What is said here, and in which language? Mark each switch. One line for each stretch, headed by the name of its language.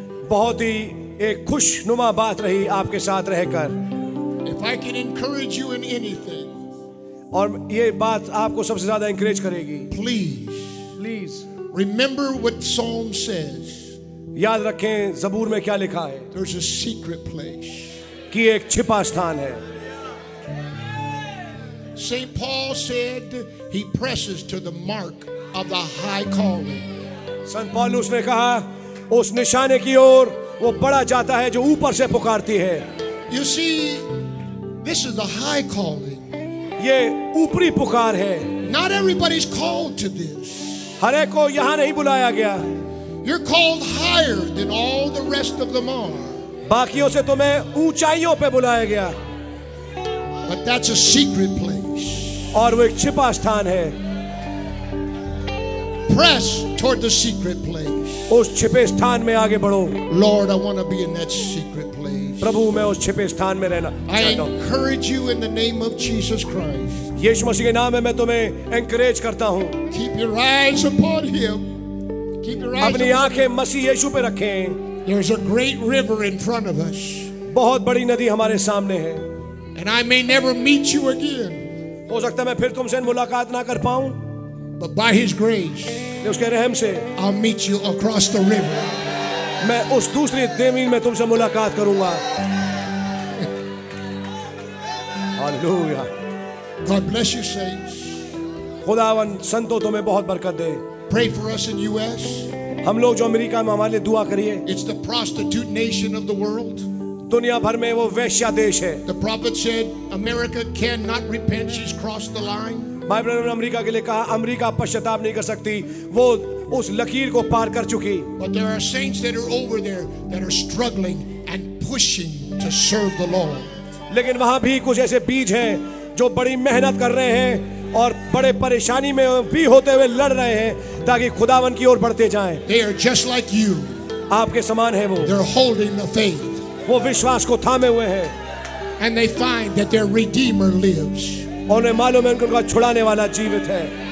Hindi: खुशनुमा बात रही आपके साथ रहकर
English: If I can encourage you in anything,
Hindi: और ये बात आपको सबसे ज्यादा encourage करेगी
English: please please remember what Psalm says
Hindi: याद रखें जबूर में क्या लिखा है
English: There's a secret place.
Hindi: कि एक छिपा स्थान है
English: St. Paul said he presses to the mark of the high calling.
Hindi: संत पौलुस ने कहा उस निशाने की ओर वो बढ़ा जाता है जो ऊपर से पुकारती है
English: You see, this is a high calling.
Hindi: ये ऊपरी पुकार है
English: Not everybody's called to this.
Hindi: हर एक को यहां नहीं बुलाया गया
English: You're called higher than all the rest of them are.
Hindi: बाकियों से तुम्हें ऊंचाइयों पे बुलाया गया
English: But that's a secret place.
Hindi: और वो एक छिपा स्थान है
English: Press toward the secret place.
Hindi: उस छिपे स्थान में आगे बढ़ो
English: Lord, I want to be in that secret place.
Hindi: प्रभु मैं उस छिपे स्थान में रहना चाहता हूं
English: I encourage you in the name of Jesus Christ.
Hindi: यीशु मसीह के नाम में मैं तुम्हें encourage करता हूं
English: Keep your eyes upon him. Keep your eyes
Hindi: अपनी आंखें मसीह यीशु पे रखें
English: There's a great river in front of us.
Hindi: बहुत बड़ी नदी हमारे सामने है
English: And I may never meet you again.
Hindi: हो सकता है मैं फिर तुमसे मुलाकात ना कर पाऊं
English: But by his grace,
Hindi: उसके रहम से,
English: I'll meet you across the river.
Hindi: मैं उस दूसरी जमीन में तुमसे मुलाकात करूंगा Hallelujah.
English: God bless you, saints.
Hindi: खुदावन संतों तुम्हें बहुत बरकत दे
English: Pray for us in US.
Hindi: हम लोग जो अमेरिका में हमारे लिए दुआ करिए
English: It's the prostitute nation of the world.
Hindi: दुनिया भर में वो वेश्या देश है
English: The prophet said, America cannot repent, she's crossed the line.
Hindi: Bible ने अमेरिका के लिए कहा अमेरिका पश्चाताप नहीं कर सकती वो उस लकीर को पार कर चुकी
English: But there are saints that are over there that are struggling and pushing to serve the Lord.
Hindi: लेकिन वहां भी कुछ ऐसे बीज हैं जो बड़ी मेहनत कर रहे हैं और बड़े परेशानी में भी होते हुए लड़ रहे हैं ताकि खुदावन की ओर बढ़ते जाएं
English: They are just like you.
Hindi: आपके समान है वो
English: They're holding the faith.
Hindi: वो विश्वास को थामे हुए हैं
English: And they find that their Redeemer lives.
Hindi: उन्हें मालूम है उनका छुड़ाने वाला जीवित है